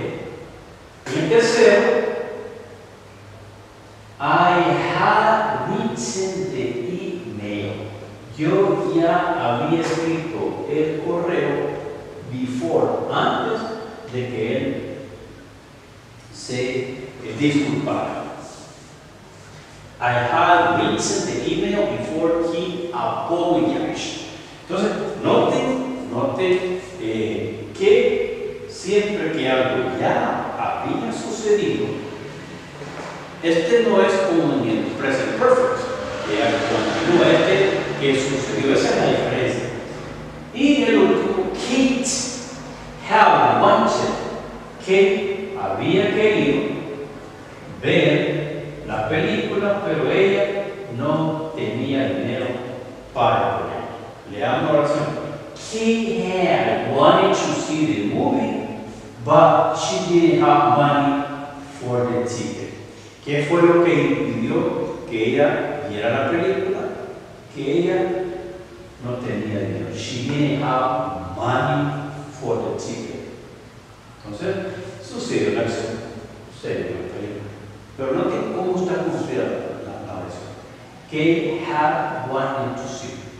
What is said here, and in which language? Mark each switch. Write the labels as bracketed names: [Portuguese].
[English] ¿Okay? [Spanish] Y el tercero, [English] I had written the email. [Spanish] Yo ya había escrito el correo before, antes de que él se disculpara. [English] I had written the email before he apologized. [Spanish] Entonces, noten que siempre que algo ya había sucedido, este no es como en el present perfect, que continúa este que sucedió. Esa es la diferencia. Y el último, [English] Kate had wanted, [Spanish] que había querido ver la película, pero ella no tenía dinero para ponerlo. Leamos la oración. [English] Kate had wanted to see the movie, but she didn't have money for the ticket. [Spanish] ¿Qué fue lo que impidió que ella viera la película? Que ella no tenía dinero. [English] She didn't have money for the ticket. [Spanish] Entonces, sucede una acción. Sucede una acción. Pero note cómo está construida la oración. Que [English] have one to see.